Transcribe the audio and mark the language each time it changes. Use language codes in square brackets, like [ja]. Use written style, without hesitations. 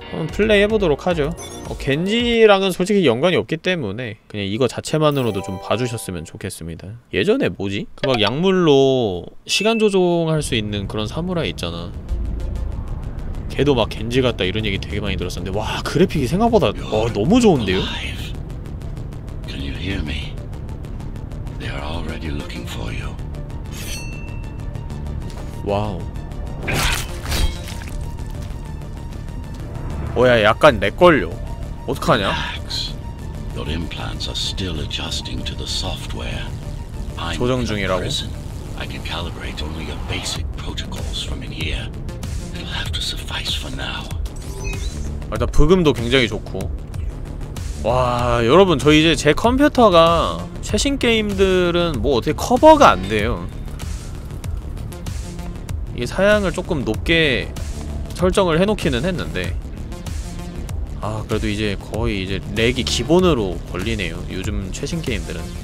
[ko] 한번 플레이 해보도록 하죠. 겐지랑은 솔직히 연관이 없기 때문에 그냥 이거 자체만으로도 좀 봐주셨으면 좋겠습니다. 예전에 뭐지? 그 막 약물로 시간 조종할 수 있는 그런 사무라이 있잖아. 걔도 막 겐지 같다 이런 얘기 되게 많이 들었었는데 와 그래픽이 생각보다 와 너무 좋은데요? [en] Can you hear me? They are already looking for you. [ko] 와우. 뭐야 약간 렉걸요. 어떡하냐? [en] Relax. Your implants are still adjusting to the software. [ko] 조정 중이라고. [en] I can calibrate only your basic protocols from in here. It'll have to suffice for now. [ko] 일단 브금도 굉장히 좋고. 와 여러분 저 이제 제 컴퓨터가 최신 게임들은 뭐 어떻게 커버가 안 돼요. 이게 사양을 조금 높게 설정을 해놓기는 했는데 아 그래도 이제 거의 이제 렉이 기본으로 걸리네요 요즘 최신 게임들은.